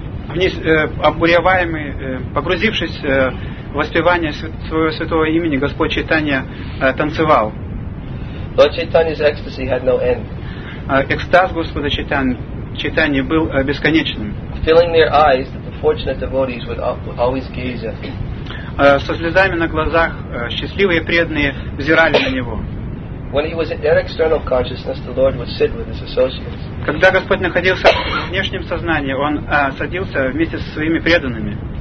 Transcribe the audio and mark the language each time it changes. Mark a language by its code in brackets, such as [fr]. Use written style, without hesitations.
[ru] Обуреваемый, погрузившись в воспевание своего святого имени, Господь Чайтанья танцевал. [en] Lord Chaitanya's ecstasy had no end. [ru] Экстаз Господа Чайтанья был бесконечным. [en] Filling their eyes, the fortunate devotees would always gaze at him. [ru] Со слезами на глазах счастливые преданные взирали на него. Когда Господь находился в внешнем сознании, Он садился вместе со своими преданными.